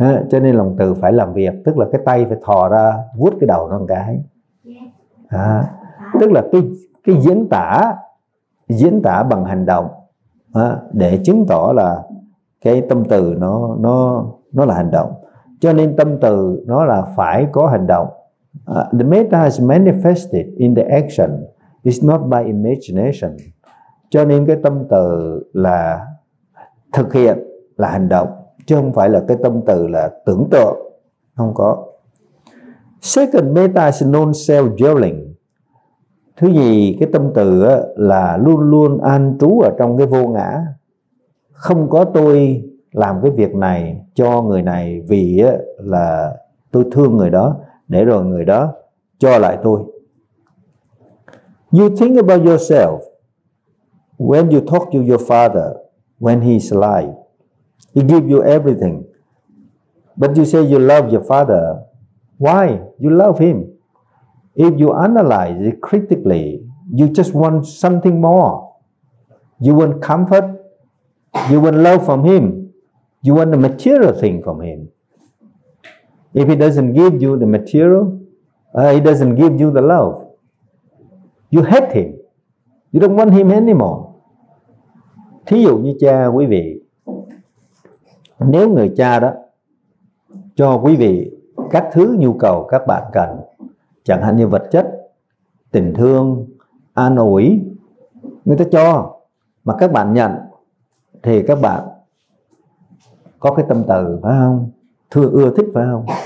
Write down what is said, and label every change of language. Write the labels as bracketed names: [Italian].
[Vietnamese] Cho nên lòng từ phải làm việc, tức là cái tay phải thò ra vuốt cái đầu nó một cái. Tức là cái diễn tả bằng hành động để chứng tỏ là cái tâm từ nó là hành động. Cho nên tâm từ nó là phải có hành động. [English] The metta is manifested in the action, it's not by imagination. [Vietnamese] Cho nên cái tâm từ là thực hiện, là hành động, chứ không phải là cái tâm từ là tưởng tượng, không có. [English] Second, metta is non-self dwelling. [Vietnamese] Thứ gì, cái tâm từ là luôn luôn an trú ở trong cái vô ngã. Không có tôi làm cái việc này cho người này vì là tôi thương người đó, để rồi người đó cho lại tôi. [English] You think about yourself when you talk to your father, when he's alive, he give you everything. But you say you love your father. Why? You love him. If you analyze it critically, you just want something more. You want comfort. You want love from him. You want the material thing from him. If he doesn't give you the material, he doesn't give you the love, you hate him. You don't want him anymore. [Vietnamese] Thí dụ như cha quý vị, nếu người cha đó cho quý vị các thứ nhu cầu các bạn cần, chẳng hạn như vật chất, tình thương, an ủi, người ta cho mà các bạn nhận thì các bạn có cái tâm từ phải không, thương ưa thích phải không.